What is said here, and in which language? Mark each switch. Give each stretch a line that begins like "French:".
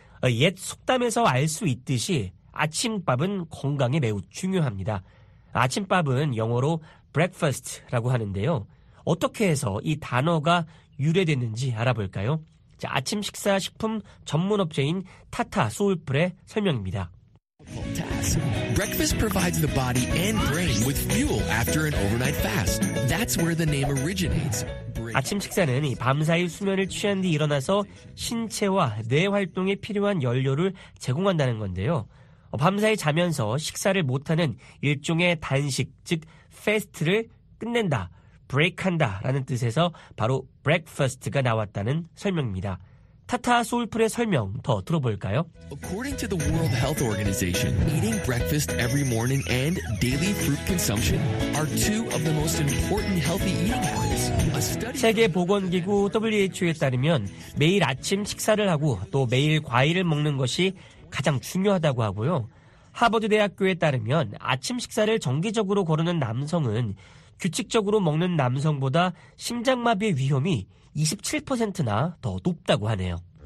Korean: 옛 속담에서 알 수 있듯이 아침밥은 건강에 매우 중요합니다. 아침밥은 영어로 breakfast라고 하는데요. 어떻게 해서 이 단어가 유래됐는지 알아볼까요? 자, 아침 식사 식품 전문업체인 타타 소울풀의 설명입니다.
English: Breakfast provides the body and brain with fuel after an overnight fast. That's where the name originates.
Korean: 아침 식사는 밤사이 수면을 취한 뒤 일어나서 신체와 뇌 활동에 필요한 연료를 제공한다는 건데요. 밤사이 자면서 식사를 못하는 일종의 단식, 즉 패스트를 끝낸다, 브레이크한다라는 뜻에서 바로 breakfast가 나왔다는 설명입니다. 타타 소울풀의 설명 더 들어볼까요?
English: According to the World Health Organization, eating breakfast every morning and daily fruit consumption are two of the most important healthy eating habits.
Korean: 세계보건기구 WHO에 따르면 매일 아침 식사를 하고 또 매일 과일을 먹는 것이 가장 중요하다고 하고요. 하버드대학교에 따르면 아침 식사를 정기적으로 거르는 남성은 규칙적으로 먹는 남성보다 심장마비의 위험이 27%나 더 높다고 하네요.